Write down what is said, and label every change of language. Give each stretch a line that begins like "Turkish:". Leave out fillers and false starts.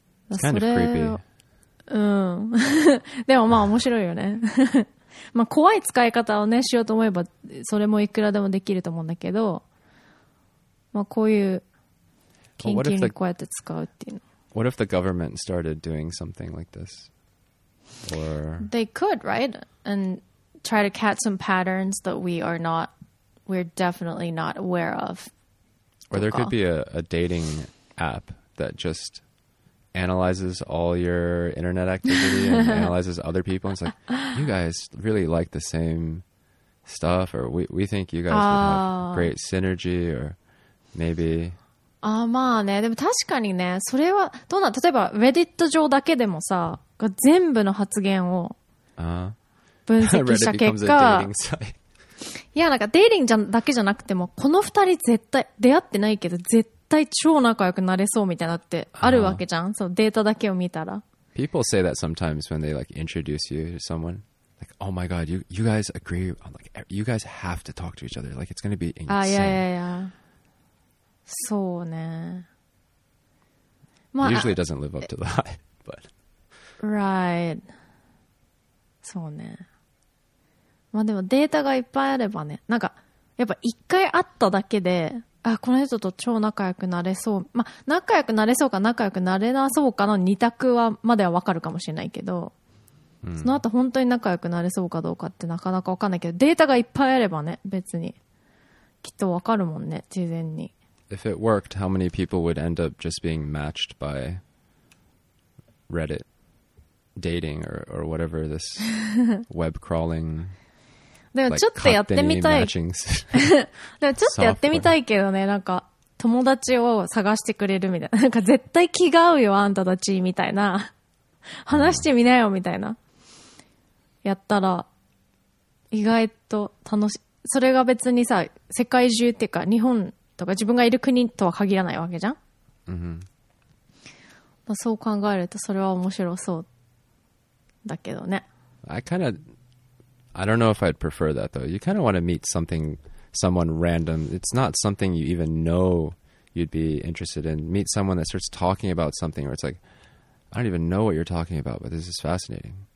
English: It's kind of creepy.
Japanese: うん。でもまあ面白いよね。まあ怖い使い方をね、しようと思えば、それもいくらでもできると思うんだけど、まあこういう研究にこうやって使うっていうの。
English: What if the government started doing something like this? Or they could, right? And try to catch some patterns that we're definitely not aware of. Or there could be a dating app that just analyzes all your internet activity and analyzes other people. And it's like, you guys really like the same stuff, or we think you guys would have great synergy, or maybe...
Japanese: あまあね、でも確かにね、それはどうなん、例えば Reddit 上だけでもさ、全部の発言を分析した結果、いやなんかデイリングだけじゃなくても、この二人絶対出会ってないけど絶対超仲良くなれそうみたいなってあるわけじゃん、そうデータだけを見たら。
English: People say that sometimes when they like introduce you to someone. Like, oh my God, you guys agree. I'm like, you guys have to talk to each other. Like, it's going to be insane. Ah, yeah, yeah, yeah.
Japanese: そうね。
English: まあ、Usually it doesn't live up to that, but... Right.
Japanese: そうね。まあでもデータがいっぱいあればね。なんか、やっぱ一回会っただけで、あ、この人と超仲良くなれそう。まあ、仲良くなれそうか仲良くなれなそうかの二択はまではわかるかもしれないけど、その後本当に仲良くなれそうかどうかってなかなか分かんないけど、データがいっぱいあればね、別にきっと分かるもんね、事前に。
English: If it worked, how many people would end up just being matched by Reddit dating or whatever this web crawling?
Japanese: でもちょっとやってみたい。でもちょっとやってみたいけどね、なんか友達を探してくれるみたいな、なんか絶対気が合うよあんたたちみたいな、話してみなよみたいな。やったら意外と楽しい。それが別にさ、世界中っていうか日本とか自分がいる国とは限らないわけじゃん、 mm-hmm. まあ、そう考えるとそれは面白そうだけどね。
English: I don't know if I'd prefer that though. You kind of want to meet something, someone random. It's not something you even know you'd be interested in. Meet someone that starts talking about something where it's like, I don't even know what you're talking about, but this is fascinating.